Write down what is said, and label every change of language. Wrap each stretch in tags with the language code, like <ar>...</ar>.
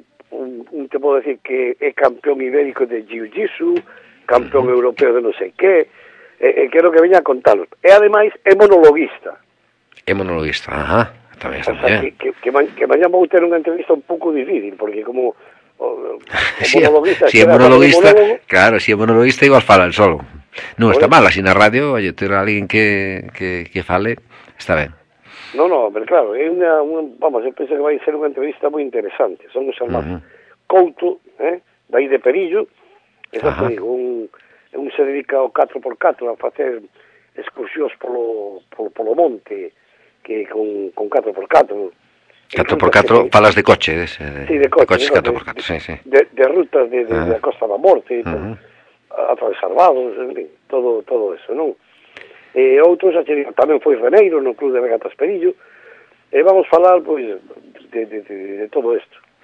<es>un te puedo decir que es campeón ibérico de Jiu-Jitsu, campeón uh-huh. europeo de no sé qué, quiero que venga a contarlo. Y además es monologuista.</es> <gl>É monologuista, ajá, tamén está bien. Que mañá vou ter unha entrevista un pouco difícil, porque como si é monologuista, claro, si é monologuista igual fala el solo. Non, está mal, así na radio, oye, ter alguén que fale, está ben. No, pero claro, é unha, vamos, eu penso que vai ser unha entrevista moi interesante. Son os hermanos Couto, daí de Perillo, un se dedica ao 4x4 a facer excursións polo monte, que con 4x4. 4x4, falas de coche, de coches 4x4,</gl> <es>de rutas de la Costa da Morte, uh-huh. atravesar vados, todo eso, ¿no?</es> <gl>Outros, tamén foi Reneiro no Club de Regatas Perillo, vamos a falar</gl> <es>pues de todo esto.</es>